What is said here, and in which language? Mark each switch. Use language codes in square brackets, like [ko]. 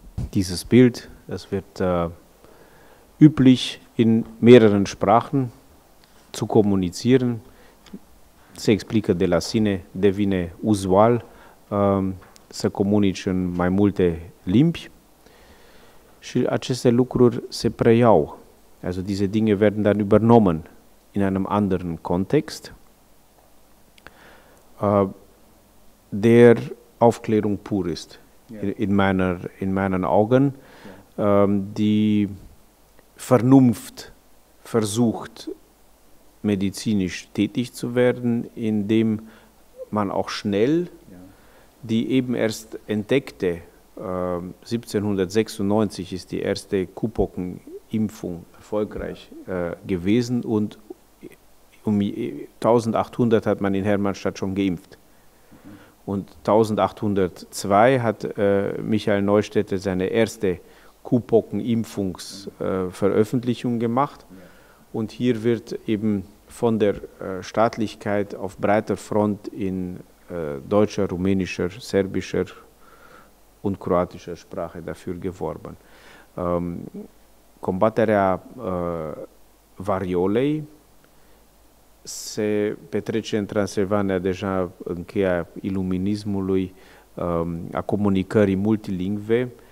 [de] Dieses Bild, es wird üblich in mehreren Sprachen zu kommunizieren, [ro] se explică de la sine, devine uzual, să comunici în mai multe limbi și aceste lucruri se preiau. [de] Also diese Dinge werden dann übernommen in einem anderen Kontext. Der Aufklärung pur ist, yeah. In meinen Augen, die Vernunft versucht, medizinisch tätig zu werden, indem man auch schnell die eben erst entdeckte, 1796 ist die erste Kuhpockenimpfung erfolgreich gewesen und um 1800 hat man in Hermannstadt schon geimpft. Und 1802 hat Michael Neustädter seine erste Kuhpockenimpfungsveröffentlichung gemacht und hier wird eben von der Staatlichkeit auf breiter Front in deutscher, rumänischer, serbischer und kroatischer Sprache dafür geworben. [ro] Combaterea variolei se petrece în Transilvania deja în cheia iluminismului, a comunicării multilingve.